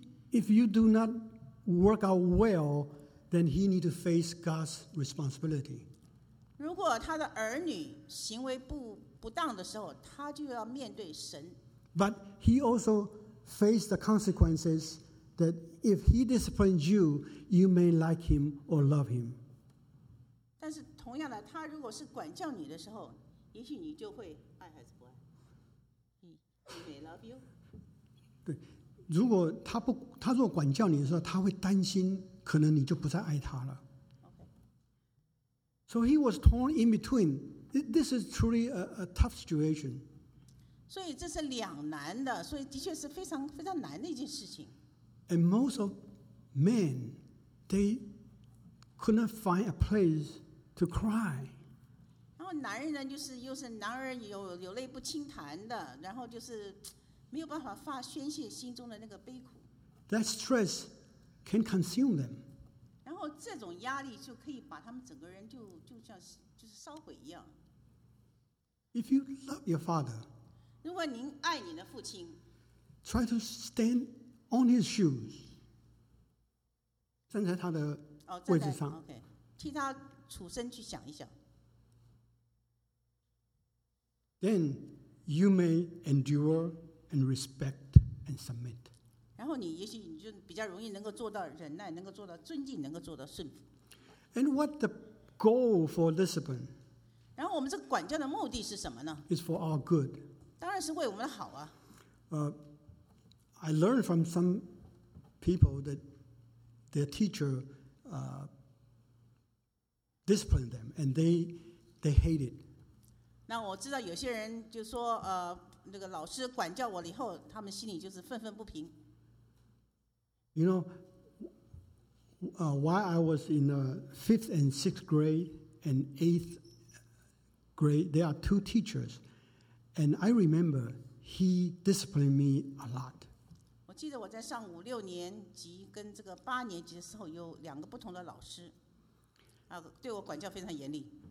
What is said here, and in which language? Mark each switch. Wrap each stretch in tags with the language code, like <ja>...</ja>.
<en>If you do not work out well, then he need to face God's responsibility.</en> <zh>如果他的儿女行为不当的时候，他就要面对神。</zh> <en>But he also faced the consequences. That if he disciplines you, you may like him or love him.</en> <zh>但是同样的，他如果是管教你的时候，也许你就会爱还是不爱。</zh> <en>He may love you.</en> <zh>对，如果他如果管教你的时候，他会担心，可能你就不再爱他了。</zh> <en>So he was torn in between. This is truly a tough situation.</en> <zh>所以这是两难的, 所以的确是非常难的一件事情。</zh> <en>And most of men, they could not find a place to cry.</en> <zh>然后男人就是又是男人有泪不轻弹的, 然后就是没有办法宣泄心中的那个悲苦。</zh> <en>That stress can consume them.</en> <zh>然后这种压力就可以把他们整个人就像就是烧毁一样。</zh> <en>If you love your father,</en> <zh>如果您爱你的父亲,</zh> <en>try to stand on his shoes.</en> <zh>站在他的位置上, 哦, 站在, okay, 替他处身去想一想。</zh> <en>Then you may endure and respect and submit.</en> <zh>然后你也许你就比较容易能够做到忍耐, 能够做到尊敬, 能够做到顺服。</zh> <en>And what the goal for discipline?</en> <zh>然后我们这个管教的目的是什么呢?</zh> <en>It's for our good.</en> <zh>当然是为我们的好啊。</zh> <en>I learned from some people that their teacher disciplined them, and they hate it.</en> <zh>那我知道有些人就说, 那个老师管教我了以后, 他们心里就是愤愤不平。</zh> <en>You know, while I was in fifth and sixth grade and eighth grade, there are two teachers, and I remember he disciplined me a lot.</en> <zh>我记得我在上五六年级跟这个八年级的时候有两个不同的老师，对我管教非常严厉。</zh>